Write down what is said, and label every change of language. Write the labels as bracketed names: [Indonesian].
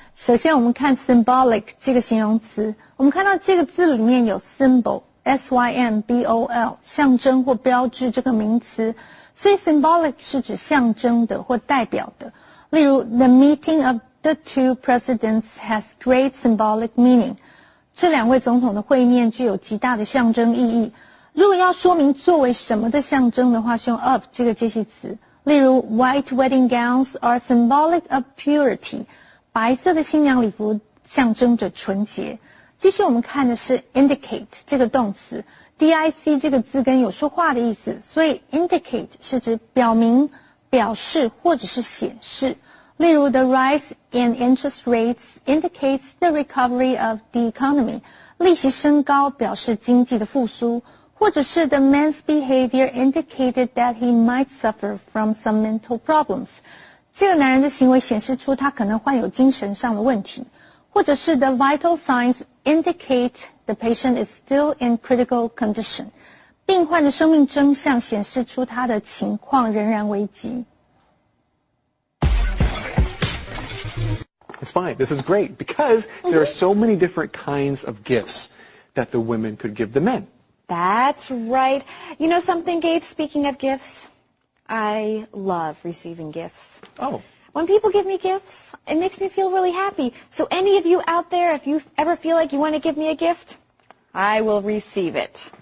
[Chinese] 首先我们看 symbolic 这个形容词，我们看到这个字里面有 symbol, S-Y-M-B-O-L, 象征或标志这个名词。所以 symbolic 是指象征的或代表的。例如 [English] ,the meeting of the two presidents has great symbolic meaning. [Chinese] 这两位总统的会面具有极大的象征意义。如果要说明作为什么的象征的话，是用 of 这个介系词。例如 [English] ,white wedding gowns are symbolic of purity. [Chinese] 白色的新娘礼服象征着纯洁。继续我们看的是 indicate 这个动词。D-I-C 这个字根有说话的意思，所以 indicate 是指表明、表示或者是显示。例如 [English] ,the rise in interest rates indicates the recovery of the economy. [Chinese] 利息升高表示经济的复苏。或者是 [English] ,the man's behavior indicated that he might suffer from some mental problems. [Chinese] 这个男人的行为显示出他可能患有精神上的问题。或者是 [English] ,the vital signs indicate the patient is still in critical condition. [Chinese] 病患的生命征象显示出他的情况仍然危急。 [English] It's fine. This is great because there are so many different kinds of gifts that the women could give the men. That's right. You know something, Gabe, speaking of gifts, I love receiving gifts. Oh. When people give me gifts, it makes me feel really happy. So any of you out there, if you ever feel like you want to give me a gift, I will receive it.